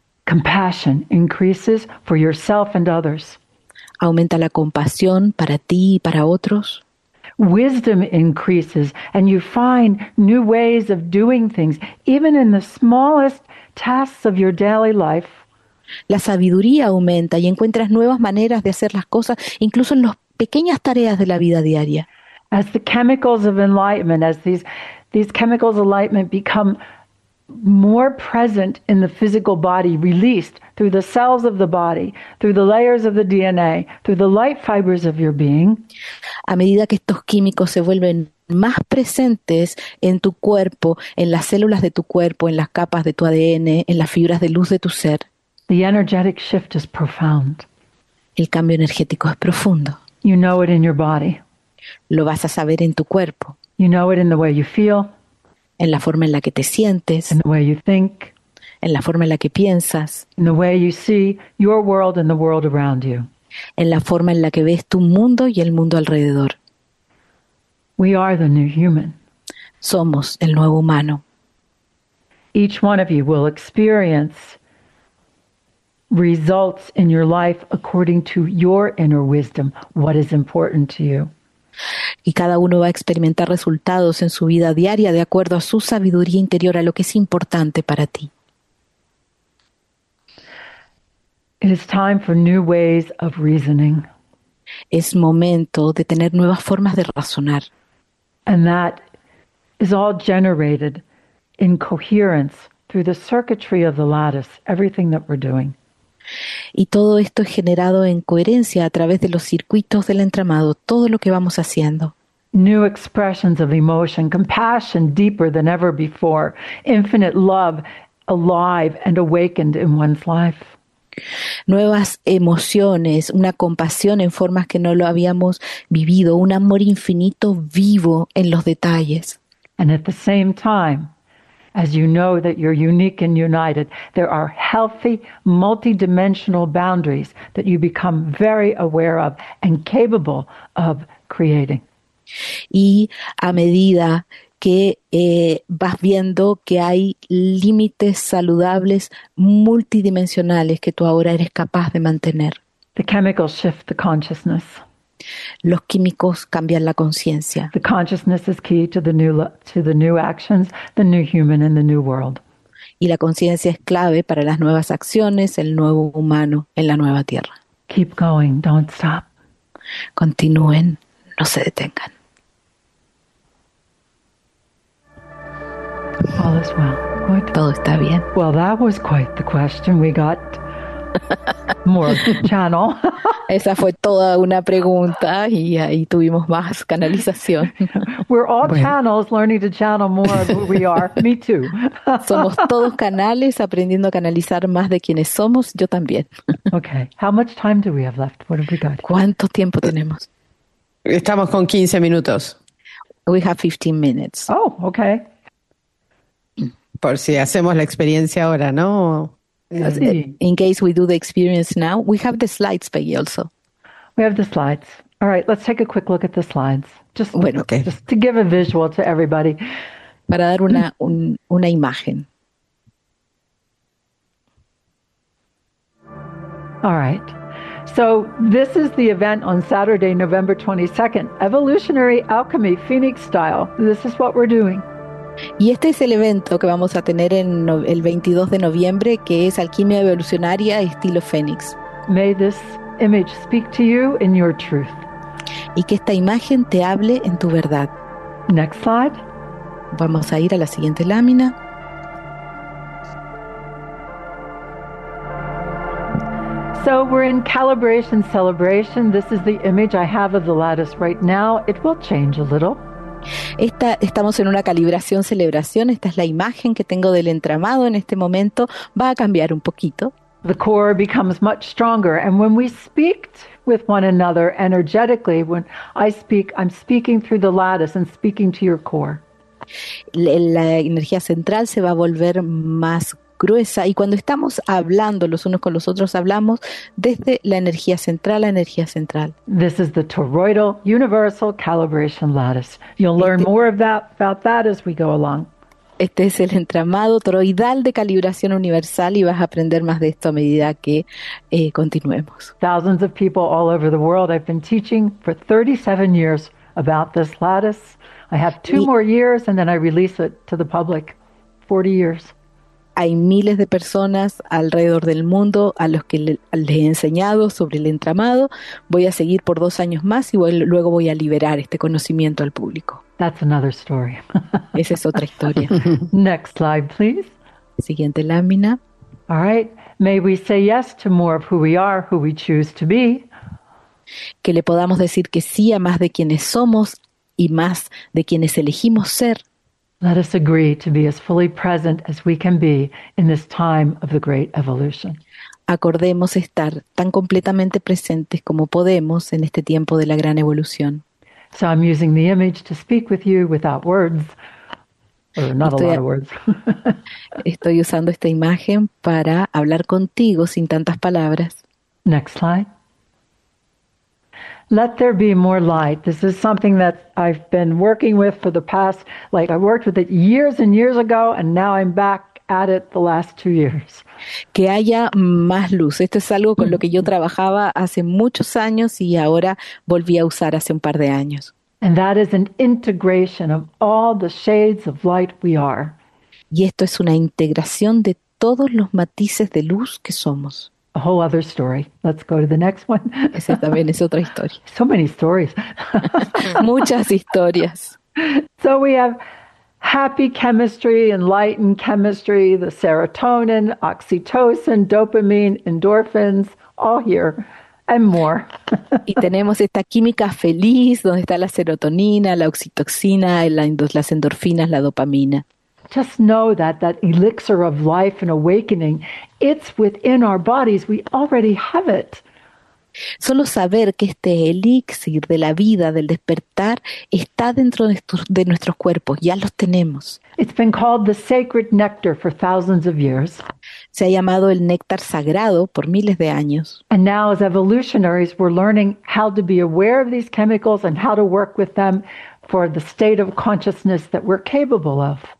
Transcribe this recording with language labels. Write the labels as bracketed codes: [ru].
[en] Compassion increases for yourself and others. [es] Aumenta la compasión para ti y para otros. [en] Wisdom increases and you find new ways of doing things, even in the smallest tasks of your daily life. [es] La sabiduría aumenta y encuentras nuevas maneras de hacer las cosas, incluso en las pequeñas tareas de la vida diaria. [en] As the chemicals of enlightenment, as these chemicals of enlightenment become more present in the physical body, released through the cells of the body, through the layers of the DNA, through the light fibers of your being. [es] A medida que estos químicos se vuelven más presentes en tu cuerpo, en las células de tu cuerpo, en las capas de tu ADN, en las fibras de luz de tu ser. [en] The energetic shift is profound. [es] El cambio energético es profundo. [en] You know it in your body. [es] Lo vas a saber en tu cuerpo. [en] You know it in the way you feel. [es] En la forma en la que te sientes, [en] in the way you think, [es] en la forma en la que piensas, [en] in the way you see your world and the world around you, [es] en la forma en la que ves tu mundo y el mundo alrededor. [en] We are the new human. [es] Somos el nuevo humano. [en] Each one of you will experience results in your life according to your inner wisdom, what is important to you. [es] Y cada uno va a experimentar resultados en su vida diaria de acuerdo a su sabiduría interior, a lo que es importante para ti. [en] It is time for new ways of reasoning. [es] Es momento de tener nuevas formas de razonar. [en] And that is all generated in coherence through the circuitry of the lattice, everything that we're doing. [es] Y todo esto es generado en coherencia a través de los circuitos del entramado, todo lo que vamos haciendo. [en] New expressions of emotion, compassion deeper than ever before, infinite love alive and awakened in one's life. [es] Nuevas emociones, una compasión en formas que no lo habíamos vivido, un amor infinito vivo en los detalles. [en] And at the same time, as you know that you're unique and united, there are healthy, multidimensional boundaries that you become very aware of and capable of creating. [es] Y a medida que vas viendo que hay límites saludables, multidimensionales, que tú ahora eres capaz de mantener. [en] The chemicals shift the consciousness. [es] Los químicos cambian la conciencia. [en] The consciousness is key to the new actions, the new human and the new world. [es] Y la conciencia es clave para las nuevas acciones, el nuevo humano en la nueva tierra. [en] Keep going, don't stop. [es] Continúen, no se detengan. [en] All is well. Good. [es] Todo está bien. [en] Well, that was quite the question we got. More channel. [es] Esa fue toda una pregunta y ahí tuvimos más canalización. [en] We're all bueno. Channels learning to channel more of who we are. Me too. [es] Somos todos canales aprendiendo a canalizar más de quienes somos. Yo también. [en] Okay. How much time do we have left? What have we got? [es] ¿Cuánto tiempo tenemos? Estamos con 15 minutos. [en] We have 15 minutes. Oh, okay. [es] Por si hacemos la experiencia ahora, ¿no? Sí. [en] In case we do the experience now, we have the slides, Peggy, also. We have the slides. All right, let's take a quick look at the slides. Just to give a visual to everybody. [es] Para dar una imagen. [en] All right. So this is the event on Saturday, November 22nd. Evolutionary Alchemy, Phoenix Style. This is what we're doing. [es] Y este es el evento que vamos a tener en el 22 de noviembre, que es Alquimia Evolucionaria estilo Fénix. [en] May this image speak to you in your truth. [es] Y que esta imagen te hable en tu verdad. [en] Next slide. [es] Vamos a ir a la siguiente lámina. [en] So we're in calibration celebration. This is the image I have of the lattice right now. It will change a little. [es] Estamos en una calibración celebración. Esta es la imagen que tengo del entramado en este momento. Va a cambiar un poquito. [en] The core becomes much stronger, and when we speak with one another energetically, when I speak, I'm speaking through the lattice and speaking to your core. [es] La energía central se va a volver más gruesa, y cuando estamos hablando los unos con los otros, hablamos desde la energía central a energía central. [en] This is the toroidal universal calibration lattice. You'll learn more about that as we go along. [es] Este es el entramado toroidal de calibración universal y vas a aprender más de esto a medida que continuemos. [en] Thousands of people all over the world. I've been teaching for 37 years about this lattice. I have two more years and then I release it to the public. 40 years. [es] Hay miles de personas alrededor del mundo a los que les he enseñado sobre el entramado. Voy a seguir por 2 años más y luego voy a liberar este conocimiento al público. [en] That's another story. [es] Esa es otra historia. [en] Next slide, please. [es] Siguiente lámina. [en] All right. May we say yes to more of who we are, who we choose to be. [es] Que le podamos decir que sí a más de quienes somos y más de quienes elegimos ser. [en] Let us agree to be as fully present as we can be in this time of the great evolution. [es] Acordemos estar tan completamente presentes como podemos en este tiempo de la gran evolución. [en] So I'm using the image to speak with you without words, or not a lot of words. [es] Estoy usando esta imagen para hablar contigo sin tantas palabras. [en] Next slide. Let there be more light. This is something that I've been working with for the past, like I worked with it years and years ago, and now I'm back at it the last 2 years. [es] Que haya más luz. Esto es algo con lo que yo trabajaba hace muchos años y ahora volví a usar hace un par de años. [en] And that is an integration of all the shades of light we are. [es] Y esto es una integración de todos los matices de luz que somos. [en] A whole other story. Let's go to the next one. [es] Esa también es otra historia. [en] So many stories. [es] Muchas historias. [en] So we have happy chemistry, enlightened chemistry, the serotonin, oxytocin, dopamine, endorphins, all here. And more. [es] Y tenemos esta química feliz donde está la serotonina, la oxitocina, las endorfinas, la dopamina. [en] Just know that that elixir of life and awakening, it's within our bodies. We already have it. [es] Solo saber que este elixir de la vida, del despertar, está dentro de nuestros cuerpos. Ya los tenemos. [en] It's been called the sacred nectar for thousands of years. [es] Se ha llamado el néctar sagrado por miles de años. [en] And now as evolutionaries, we're learning how to be aware of these chemicals and how to work with them for the state of consciousness that we're capable of.